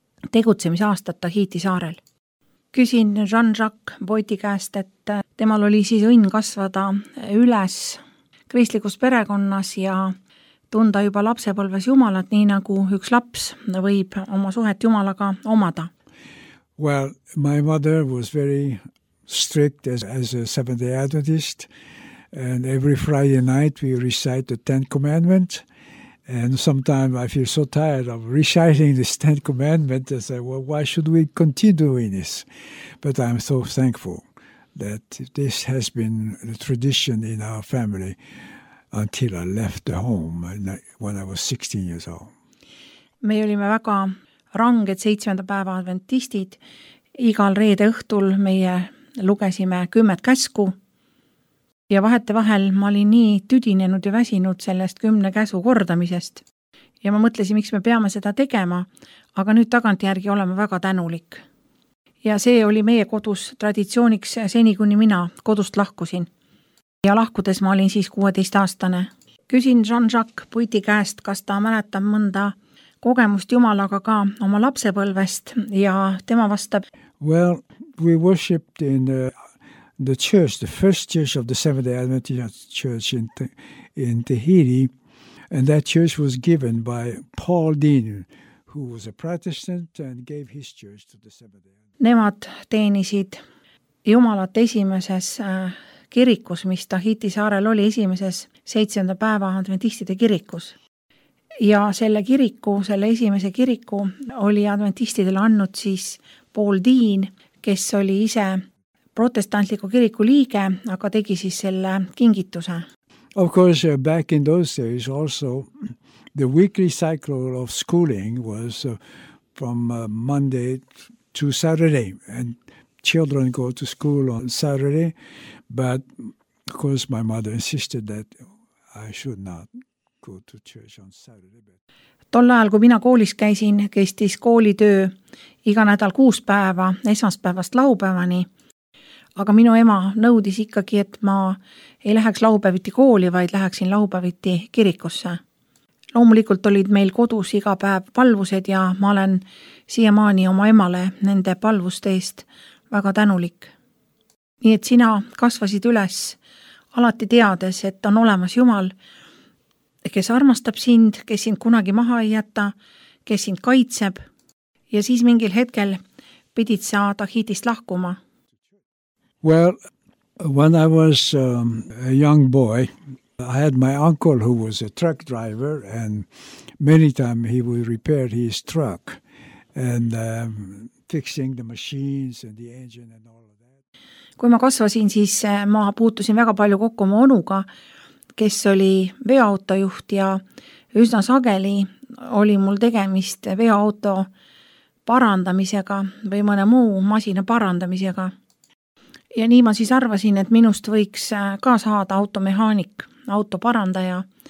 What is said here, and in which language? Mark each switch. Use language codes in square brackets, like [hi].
[et] tegutsemisaastat Tahiti saarel. Küsin Jean-Jacques Boiti käest, et temal oli siis õnn kasvada üles kristlikus perekonnas ja tunda juba lapsepõlves Jumalat, nii nagu üks laps võib oma suhet Jumalaga omada. [en] Well, my mother was very strict as a Seventh-day Adventist and every Friday night we recite the Ten Commandments. And sometimes I feel so tired of reciting this Ten Commandment. I say, well, why should we continue doing this? But I'm so thankful that this has been the tradition in our family until I left the home when I was 16 years old. [et] Me olime väga ranged 7. päeva adventistid. Igal reede õhtul meie lugesime 10 käsku. Ja vahete vahel ma olin nii tüdinenud ja väsinud sellest 10 käsu kordamisest. Ja ma mõtlesin, miks me peame seda tegema, aga nüüd tagantjärgi oleme väga tänulik. Ja see oli meie kodus traditsiooniks seni, kuni mina kodust lahkusin. Ja lahkudes ma olin siis 16-aastane. Küsin Jean-Jacques Puiti käest, kas ta mäletab mõnda kogemust Jumalaga ka oma lapsepõlvest ja tema vastab. [en] Well, we worshipped in the church, the first church of the Seventh-day Adventist Church in Tahiti, and that church was given by Paul Dean, who was a Protestant and gave his church to the Seventh-day Adventist. [et] Nemad teenisid Jumalat esimeses kirikus, mis Tahiti saarel oli esimeses 7. päeva Adventistide kirikus. Ja selle kiriku, selle esimese kiriku oli Adventistidele annud siis Paul Dean, kes oli ise protestantliku kiriku liige, aga tegi siis selle kingituse. [en] Of course, back in those days also the weekly cycle of schooling was from Monday to Saturday, and children go to school on Saturday, but of course my mother insisted that I should not go to church on Saturday. [et] Tol ajal, kui mina koolis käisin, kestis koolitöö iga nädal 6 päeva, esmaspäevast laupäevani. Aga minu ema nõudis ikkagi, et ma ei läheks laupäeviti kooli, vaid läheksin laupäeviti kirikusse. Loomulikult olid meil kodus iga päev palvused ja ma olen siiamaani oma emale nende palvuste eest väga tänulik. Nii et sina kasvasid üles, alati teades, et on olemas Jumal, kes armastab sind, kes sind kunagi maha ei jäta, kes sind kaitseb. Ja siis mingil hetkel pidid sa Tahiitist lahkuma. [en] Well, when I was a young boy, I had my uncle who was a truck driver, and many times he would repair his truck and fixing the machines and the engine and all of that. [et] Kui ma kasvasin, siis ma puutusin väga palju kokku oma onuga, kes oli veoautojuht, ja üsna sageli oli mul tegemist veoauto parandamisega või mõne muu masina parandamisega. Ja nii ma siis arvasin, et minust võiks ka saada automehaanik, autoparandaja.